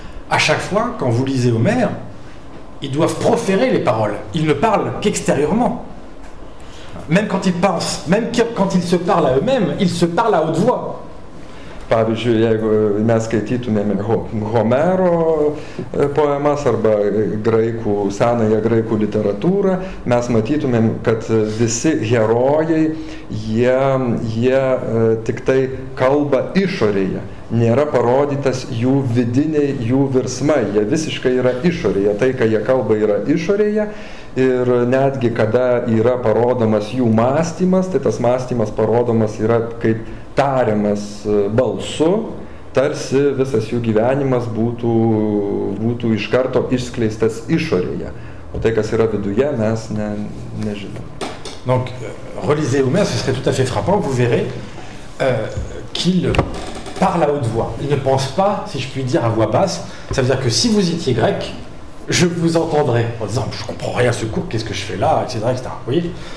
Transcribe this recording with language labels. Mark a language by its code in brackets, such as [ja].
[fr] À chaque fois, quand vous lisez Homère, ils doivent proférer les paroles. Ils ne parlent qu'extérieurement. Même quand ils pensent, même quand ils se parlent à eux-mêmes, ils se parlent à haute voix. [lt] Pavyzdžiui, jeigu mes skaitytumėme Homero poemas arba graikų, senąją graikų literatūrą, mes matytumėm, kad visi herojai, jie tik tai kalba išorėje, nėra parodytas jų vidiniai, jų virsmai, jie visiškai yra išorėje, tai, ką jie kalba, yra išorėje. Ir netgi, kada yra parodomas jų mąstymas, tai tas mąstymas parodomas yra kaip tariamas balsu, tarsi visas jų gyvenimas būtų iš karto išskleistas išorėje. O tai, kas yra viduje, mes nežinom. [fr] Donc, relisez Homère, ce serait tout à fait frappant, vous verrez qu'il parle à haute voix. Il ne pense pas, si je puis dire, à voix basse. Ça veut dire que si vous étiez grec, je vous entendrai en disant « je comprends rien ce cours, qu'est-ce que je fais là ?» etc. etc. Oui.